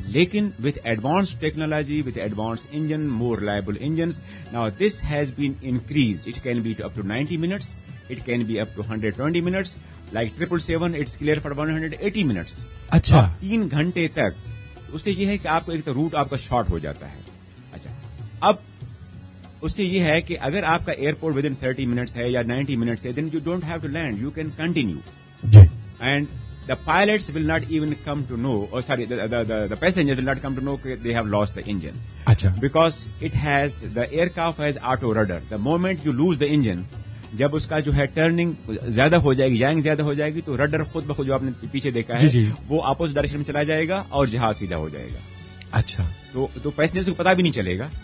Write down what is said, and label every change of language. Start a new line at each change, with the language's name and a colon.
English: لیکن with advance technology, with advance engine, more reliable engines, now this has been increase, it can be up to 90 minutes, it can be up to 120 minutes, like 777 it's clear for 180 minutes.
Urdu: اچھا تین گھنٹے تک. اس سے یہ ہے کہ آپ کو ایک تو روٹ آپ کا شارٹ ہو جاتا ہے. اچھا اب اس سے یہ ہے کہ اگر آپ کا ایئرپورٹ ود ان 30 منٹس ہے یا 90 منٹس ہے،
English: Then you don't have to land, you can continue. And the pilots will not even come to know, sorry the passenger will not come to know they have lost the engine.
Urdu: اچھا
English: because it has the aircraft has auto rudder, the moment you lose the engine,
Urdu: جب اس کا جو ہے turning زیادہ ہو جائے گی، جائنگ زیادہ ہو جائے گی، تو رڈر خود بخود جو آپ نے پیچھے دیکھا ہے وہ اپوزٹ ڈائریکشن میں چلا جائے گا اور جہاز سیدھا ہو جائے گا. اچھا تو پیسنجر کو پتا بھی نہیں چلے گا.